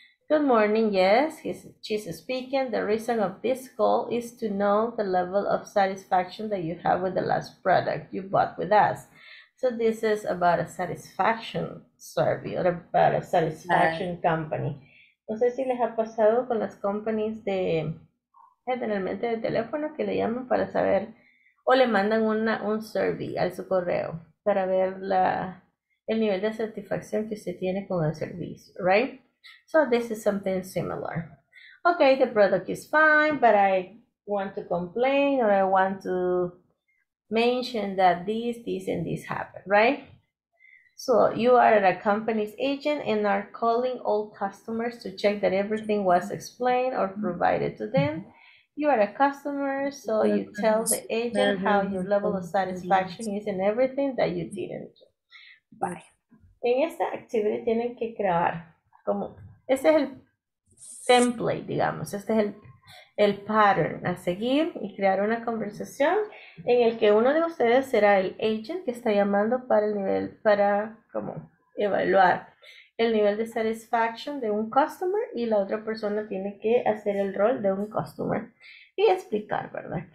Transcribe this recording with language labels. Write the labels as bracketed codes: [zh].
[en] Good morning, yes, she's speaking. The reason of this call is to know the level of satisfaction that you have with the last product you bought with us. So this is about a satisfaction survey or about a satisfaction company. [es] No sé si les ha pasado con las companies de generalmente de teléfono que le llaman para saber o le mandan una un survey a su correo para ver la el nivel de satisfacción que usted tiene con el servicio, right? [en] So this is something similar. Okay, the product is fine, but I want to complain or I want to mention that this and this happened, right? So you are a company's agent and are calling all customers to check that everything was explained or provided to them. You are a customer, so you tell the agent how your level of satisfaction is and everything that you didn't do. Bye. [es] En esta actividad tienen que crear como, este es el template, digamos, este es el pattern a seguir y crear una conversación en el que uno de ustedes será el agent que está llamando para el nivel, para como evaluar el nivel de satisfaction de un customer y la otra persona tiene que hacer el rol de un customer y explicar, ¿verdad?